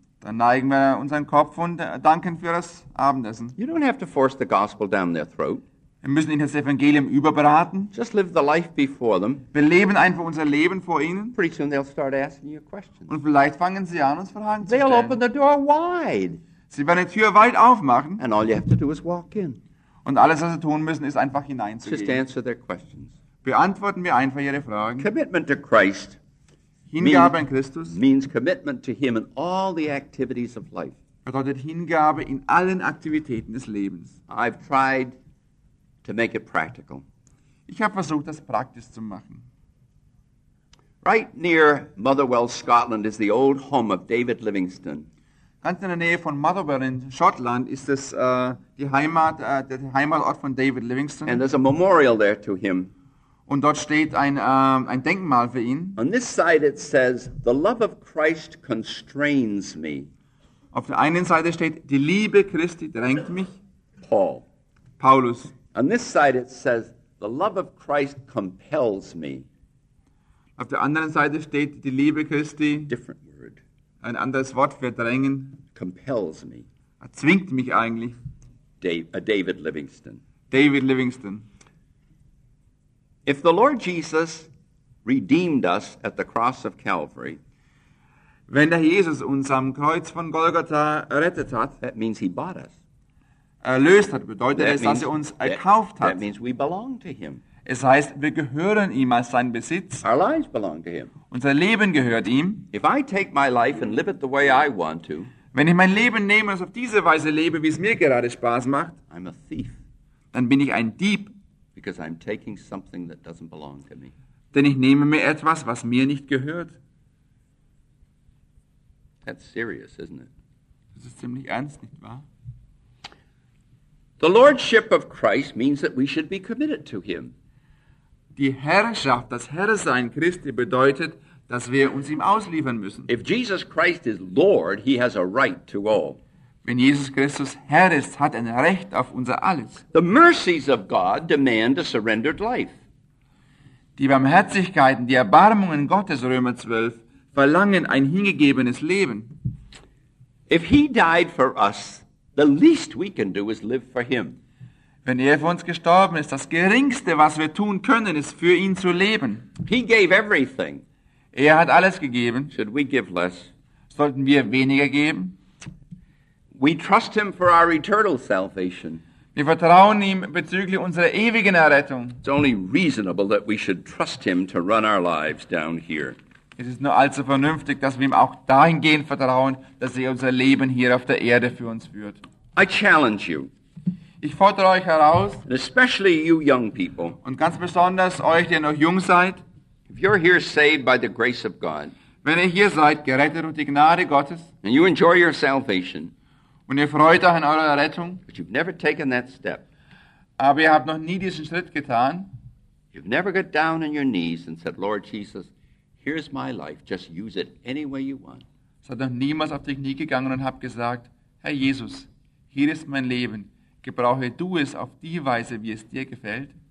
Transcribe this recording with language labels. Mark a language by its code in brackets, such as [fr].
[de] Dann neigen wir unseren Kopf und danken für das Abendessen. [en] You don't have to force the gospel down their throat. [de] Wir müssen ihnen das Evangelium überbraten. [en] Just live the life before them. [de] Wir leben einfach unser Leben vor ihnen. [en] Pretty soon they'll start asking you questions. [de] Und vielleicht fangen sie an, uns Fragen zu stellen. [en] Open the door wide. [de] Sie werden die Tür weit aufmachen. [en] And all you have to do is walk in. [de] Und alles, was sie tun müssen, ist einfach hineinzugehen. [en] Just answer their questions. [de] Beantworten wir einfach ihre Fragen. [en] Commitment to Christ [de] Hingabe an Christus [en] means commitment to him in all the activities of life. [de] Bedeutet Hingabe in allen Aktivitäten des Lebens. [en] I've tried to make it practical. [de] Ich habe versucht, das praktisch zu machen. [en] Right near Motherwell, Scotland, is the old home of David Livingstone. [de] Ganz in der Nähe von Motherwell in Schottland ist das die Heimat, der Heimatort von David Livingstone. [en] And there's a memorial there to him. [de] Und dort steht ein Denkmal für ihn. [en] On this side it says, "The love of Christ constrains me." [de] Auf der einen Seite steht, die Liebe Christi drängt mich. [en] Paul. [de] Paulus. [en] On this side it says, the love of Christ compels me. [de] Auf der anderen Seite steht, die Liebe Christi. [en] Different word. [de] Ein anderes Wort für drängen. [en] Compels me. [de] Er zwingt mich eigentlich. [en] David Livingston. [de] David Livingston. [en] If the Lord Jesus redeemed us at the cross of Calvary, [de] wenn der Jesus uns am Kreuz von Golgatha errettet hat, [en] that means he bought us. [de] Erlöst hat, bedeutet es, dass er uns erkauft hat. [en] That means we belong to him. [de] Es heißt, wir gehören ihm als sein Besitz. [en] Our lives belong to him. [de] Unser Leben gehört ihm. [en] If I take my life and live it the way I want to, [de] wenn ich mein Leben nehme und auf diese Weise lebe, wie es mir gerade Spaß macht, [en] I'm a thief. [de] Dann bin ich ein Dieb. [en] Because I'm taking something that doesn't belong to me. [de] Denn ich nehme mir etwas, was mir nicht gehört. [en] That's serious, isn't it? [de] Das ist ziemlich ernst, nicht wahr? [en] The lordship of Christ means that we should be committed to him. [de] Die Herrschaft, das Herrsein Christi bedeutet, dass wir uns ihm ausliefern müssen. [en] If Jesus Christ is Lord, he has a right to all. [de] Wenn Jesus Christus Herr ist, hat er ein Recht auf unser alles. [en] The mercies of God demand a surrendered life. [de] Die Barmherzigkeiten, die Erbarmungen Gottes, Römer 12, verlangen ein hingegebenes Leben. [en] If he died for us, the least we can do is live for him. [de] Wenn er für uns gestorben ist, das Geringste, was wir tun können, ist für ihn zu leben. [en] He gave everything. [de] Er hat alles gegeben. [en] Should we give less? [de] Sollten wir weniger geben? [en] We trust him for our eternal salvation. [de] Wir vertrauen ihm bezüglich unserer ewigen Errettung. [en] It's only reasonable that we should trust him to run our lives down here. [de] Es ist nur allzu vernünftig, dass wir ihm auch dahingehend vertrauen, dass er unser Leben hier auf der Erde für uns führt. [en] I challenge you. [de] Ich fordere euch heraus. [en] And especially you young people. [de] Und ganz besonders euch, die noch jung seid. [en] If you're here saved by the grace of God. [de] Wenn ihr hier seid, gerettet durch die Gnade Gottes. [en] And you enjoy your salvation. [de] Und ihr freut euch an eurer Errettung. [en] But you've never taken that step. [de] Aber ihr habt noch nie diesen Schritt getan. [en] You've never got down on your knees and said, Lord Jesus, here's my life, just use it any way you want. [de] Seid noch niemals auf die Knie gegangen und habt gesagt, Herr Jesus, hier ist mein Leben. Gebrauche du es auf die Weise, wie es dir gefällt.